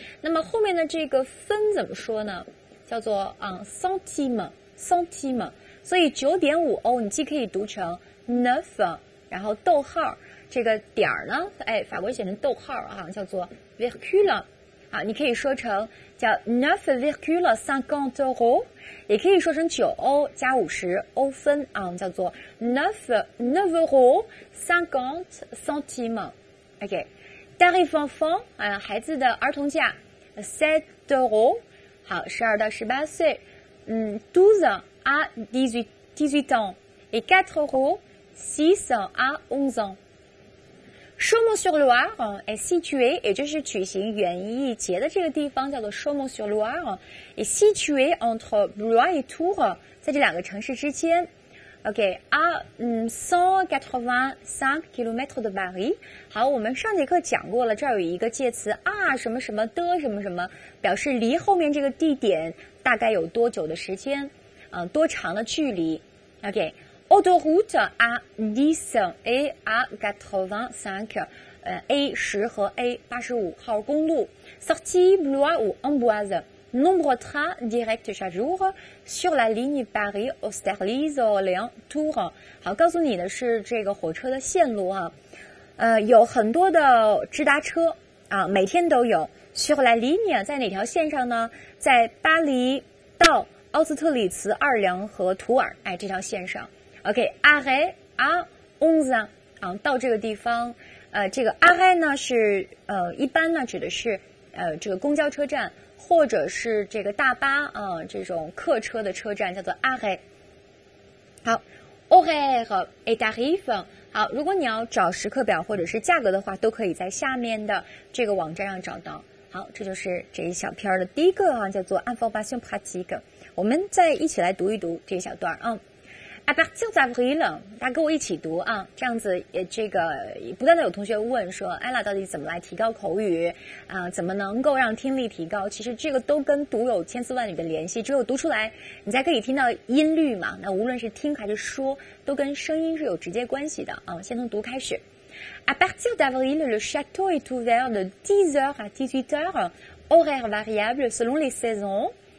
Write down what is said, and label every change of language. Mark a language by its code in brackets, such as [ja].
[zh] 那么后面的这个分怎么说呢？叫做centime， 所以9.5欧，你既可以读成 neuf， 然后逗号这个点呢，法国写成逗号叫做 virgule 你可以说成叫 9,50€， 也可以说成9欧加50欧分叫做 9,50€50 centimes。OK， [fr] tarif enfant, [zh] 孩子的儿童价 [fr] 7€, [zh] 好12到18岁 [fr] 12à 18 ans, et 4€, 6 à 11 ans. Chaumont-sur-Loire est situé, et [zh] 这是举行园艺节的这个地方叫做 [fr] Chaumont-sur-Loire, est situé entre Blois et Tours, [zh] 在这两个城市之间。 [fr] OK, à 185 km de Paris. [zh] 好，我们上节课讲过了，这儿有一个介词啊什么什么的什么什么，表示离后面这个地点大概有多久的时间，多长的距离。 [fr] OK, autoroute à 10 et à 85, [zh] A 10和 A 85号公路。 [fr] Sortie Blois ou Amboise. Nombre trains directs chaque jour sur la ligne Paris-Austerlitz-Orléans-Tours. [zh] 好，告诉你的是这个火车的线路啊，有很多的直达车啊，每天都有。 [fr] Sur la ligne [zh] 在哪条线上呢？在巴黎到奥斯特里茨、奥尔良和图尔，哎，这条线上。 OK, arrêt à 11, 啊，到这个地方，这个 arrêt 呢是一般呢指的是这个公交车站。或者是这个大巴啊，这种客车的车站叫做 arrêt。好 ， [fr] horaire et tarif。 [zh] 好，如果你要找时刻表或者是价格的话，都可以在下面的这个网站上找到。好，这就是这一小篇的第一个啊，叫做 [fr] information pratique。 [zh] 我们再一起来读一读这一小段啊。 [fr] À partir d'avril， [zh] 大家跟我一起读啊，这样子也这个也不断的有同学问说，艾拉到底怎么来提高口语啊？怎么能够让听力提高？其实这个都跟读有千丝万缕的联系，只有读出来，你才可以听到音律嘛。那无论是听还是说，都跟声音是有直接关系的啊。先从读开始。 [fr] À partir d'avril， le château est ouvert de 10h à 18h, horaire variable selon les saisons.